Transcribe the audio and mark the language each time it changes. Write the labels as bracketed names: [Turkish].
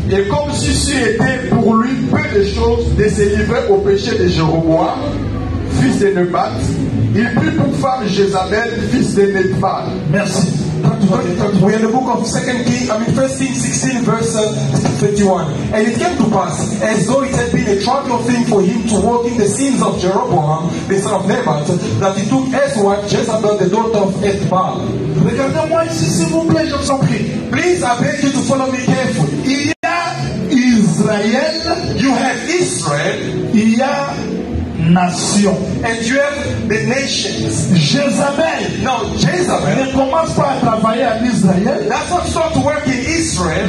[French] Et comme si c'eût été pour lui peu de choses de se livrer au péché de Jéroboam, fils de Nebat, il prit pour femme Jézabel, fils de Nebat. Merci. [English] We are in the book of 1 Kings 16, verse 31. And it came to pass, as though it had been a trivial thing for him to walk in the sins of Jeroboam, the son of Nebat, that he took as wife Jezebel, the daughter of Ethbaal. [French] Regardez-moi ici, s'il vous plaît, je vous en prie. [English] Please, I beg you to follow me carefully. [French] Il y a, is Israël, [English] you have Israel, [French] il y a nation. [English] And you have the nations. Jezabel. Now, Jezabel [French] ne commence pas à travailler en Israël. [English] That's not start to work in Israel.